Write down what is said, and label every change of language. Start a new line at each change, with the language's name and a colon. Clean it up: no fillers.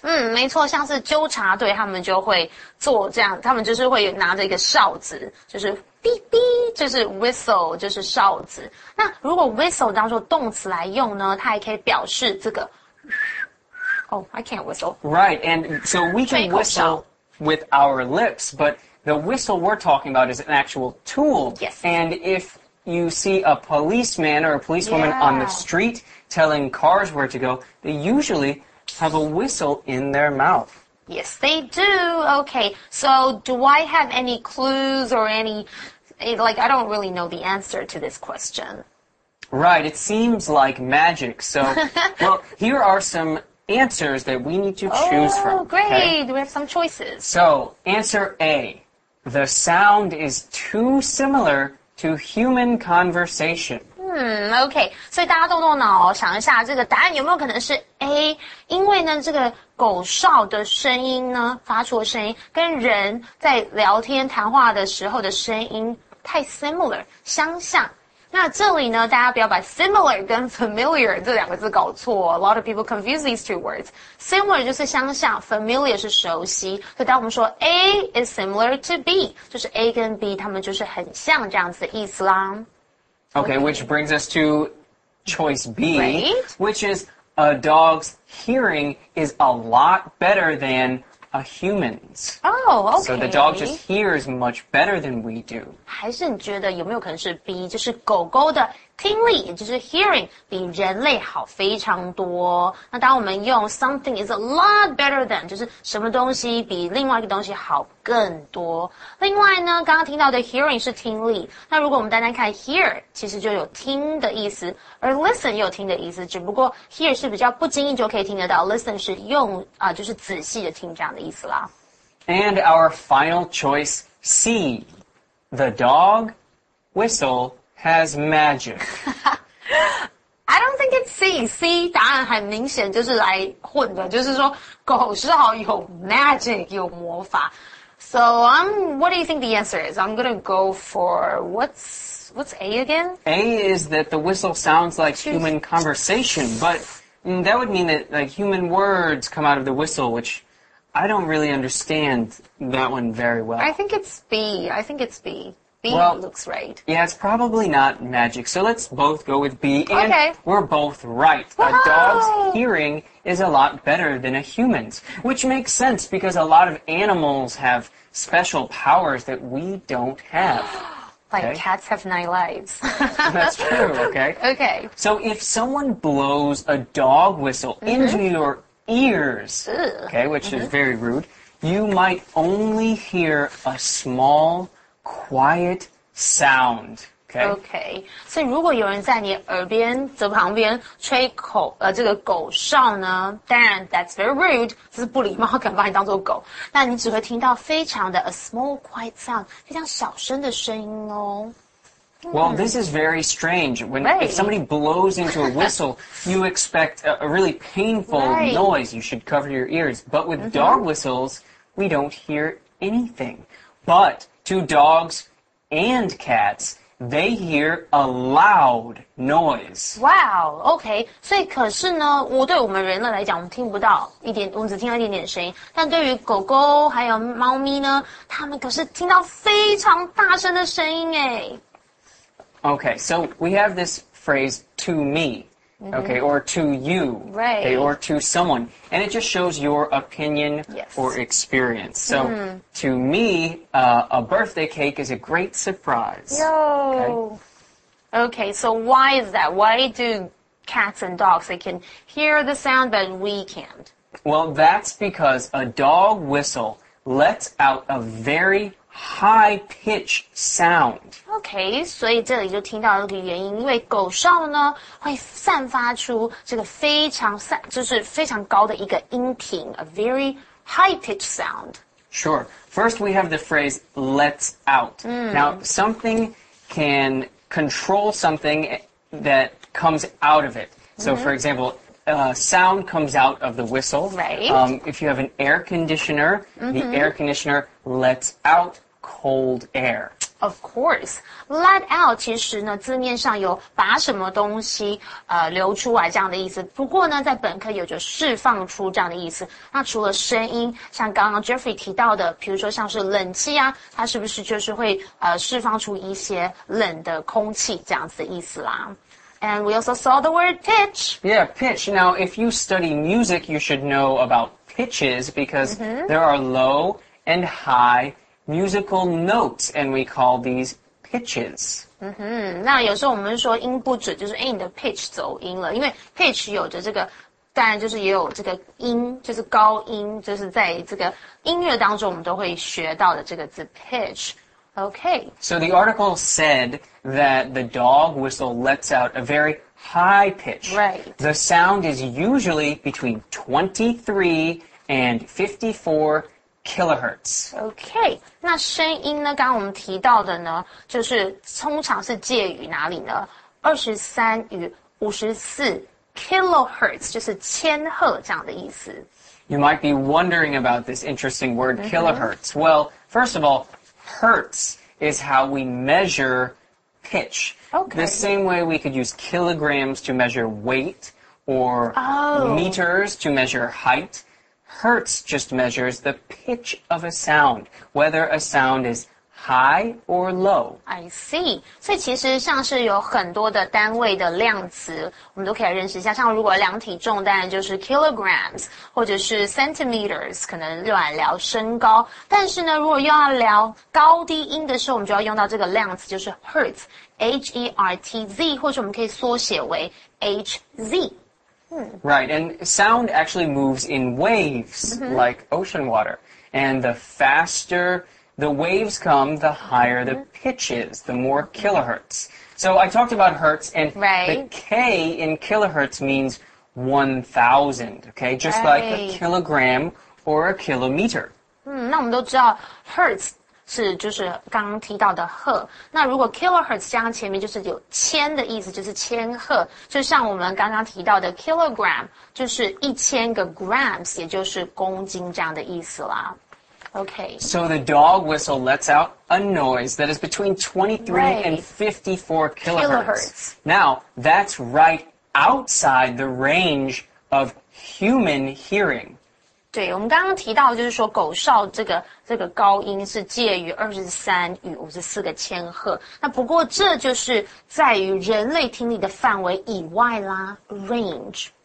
Chinese: 没错，像是纠察队他们就会做这样，他们就是会拿着一个哨子，就是哔哔，就是 whistle， 就是哨子。那如果 whistle 当作动词来用呢，它还可以表示这个。
English: Oh, I can't whistle. Right, and so we can whistle with our lips, but the whistle we're talking about is an actual tool. Yes. And if you see a policeman or a policewoman on the street telling cars where to go, they usually have a whistle in their mouth. Yes, they do. Okay, so do I have any clues or any... Like, I don't really know the answer to this question. Right, it seems like magic. So, well, here are some answers that we need to choose from. Oh, great. Okay? Do we have some choices? So, answer A. The sound is too similar to human conversation.
Chinese: OK， 所以大家动动脑，想一下这个答案有没有可能是 A？因为呢，这个狗哨的声音呢，发出的声音跟人在聊天谈话的时候的声音太 similar， 相像。那这里呢，大家不要把 similar 跟 familiar 这两个字搞错。
English: A lot of people confuse these two words.
Chinese: Similar 就是相像 ，familiar 是熟悉。所以当我们说
English: A is similar to B，
Chinese: 就是 A 跟 B 他们就是很像这样子的意思啦。
English: Okay, which brings us to choice B,、 right? which is a dog's hearing is a lot better than a human's. Oh, okay. So the dog just hears much better than we do.
Chinese: 还是你觉得有没有可能是 B, 就是狗狗的听力，就是 hearing, 比人类好非常多。那当我们用
English: something is a lot better than,
Chinese: 就是什么东西比另外一个东西好更多。另外呢，刚刚听到的 hearing 是听力。那如果我们单单看 hear, 其实就有听的意思，而 listen 也有听的意思，只不过 hear 是比较不经意就可以听得到， listen 是用、就是仔细的听这样的意思啦。
English: And our final choice, C, the dog whistle,has magic. I don't think it's C.
Chinese: C 答案很明显就是来混的，就是说狗哨有 magic, 有魔法。
English: So, what do you think the answer is? I'm gonna go for, what's A again? A is that the whistle sounds like human conversation, but that would mean that like human words come out of the whistle, which I don't really understand that one very well. I think it's B. B well, looks right. Yeah, it's probably not magic. So let's both go with B. And okay. We're both right. Whoa. A dog's hearing is a lot better than a human's, which makes sense because a lot of animals have special powers that we don't have. Like, okay? Cats have 9 lives. That's true, okay? Okay. So if someone blows a dog whistle mm-hmm. into your ears, Ugh. Okay, which mm-hmm. is very rude, you might only hear a small... quiet sound. Okay. Okay.
Chinese: 所以如果有人在你耳边则旁边吹口这个狗哨呢，当然
English: that's very rude.
Chinese: 这是不礼貌，敢把你当作狗。那你只会听到非常的
English: a small quiet sound,
Chinese: 非常小声的声音哦。
English: Well, this is very strange. When、 right. if somebody blows into a whistle, you expect a really painful、 right. noise. You should cover your ears. But with、mm-hmm. dog whistles, we don't hear anything. But... To dogs and cats, they hear a loud noise. Wow, okay.
Chinese: 所以可是呢，我对我们人类来讲，我们听不到一点，我们只听到一点点声音。但对于狗狗还有猫咪呢，他们可是听到非常大声的声音诶。
English: Okay, so we have this phrase, to me. Okay, or to you. Right. Okay, or to someone. And it just shows your opinion、 yes. or experience. So,、mm-hmm. to me,、a birthday cake is a great surprise. Yo! Okay. Okay, so why is that? Why do cats and dogs, they can hear the sound, but we can't? Well, that's because a dog whistle lets out a very... high-pitched sound.
Chinese: Okay, 所以这里就听到一个原因，因为狗哨呢会散发出这个非常就是非常高的一个音频 ，
English: a very high-pitched sound. Sure. First, we have the phrase "lets out."、 Mm. Now, something can control something that comes out of it. So,、mm-hmm. for example. Sound comes out of the whistle. Right. If you have an air conditioner,、mm-hmm. the air conditioner lets out cold air. Of course.
Chinese: Let out 其实呢字面上有把什么东西、流出来这样的意思。不过呢在本课有着释放出这样的意思。那除了声音像刚刚 Jeffrey 提到的比如说像是冷气啊它是不是就是会、释放出一些冷的空气这样子的意思啦。
English: And we also saw the word pitch. Yeah, pitch. Now, if you study music, you should know about pitches because、mm-hmm. there are low and high musical notes, and we call these pitches. Mm-hmm.
Chinese: 那有时候我们说音不准，就是你的 pitch 走音了，因为 pitch 有着这个，当然就是也有这个音，就是高音，就是在这个音乐当中我们都会学到的这个字 pitch.
English: Okay. So the article said that the dog whistle lets out a very high pitch. Right. The sound is usually between 23 and 54 kilohertz. Okay.
Chinese: 那声音呢刚刚我们提到的呢就是通常是介于哪里呢 23与54 kilohertz 就是千赫这样的意思。
English: You might be wondering about this interesting word kilohertz. Well, first of all, hertz is how we measure pitch. Okay. The same way we could use kilograms to measure weight or meters to measure height, hertz just measures the pitch of a sound, whether a sound is high or low. I see.
Chinese: 所以其实像是有很多的单位的量词，我们都可以认识一下。像如果量体重，当然就是 kilograms， 或者是 centimeters， 可能用来聊身高。但是呢，如果又要聊高低音的时候，我们就要用到这个量词，就是 hertz， H-E-R-T-Z， 或者我们可以缩写为 H-Z。
English: Right, and sound actually moves in waves, like ocean water. And the faster the waves come, the higher the pitch is, the more kilohertz. So I talked about hertz, and the K in kilohertz means 1,000, okay? Just like a kilogram or a kilometer.
Chinese: 那我们都知道 hertz 是就是刚刚提到的赫。那如果 kilohertz 加上前面就是有千的意思，就是千赫。就像我们刚刚提到的 kilogram, 就是1000个 grams, 也就是公斤这样的意思啦。
English: Okay. So the dog whistle lets out a noise that is between 23 and 54 kilohertz. Now, that's right outside the range of human hearing.
Chinese: 对，我们刚刚提到就是说狗哨这个高音是介于23与54个千赫。那不过这就是在于人类听力的范围以外啦 range.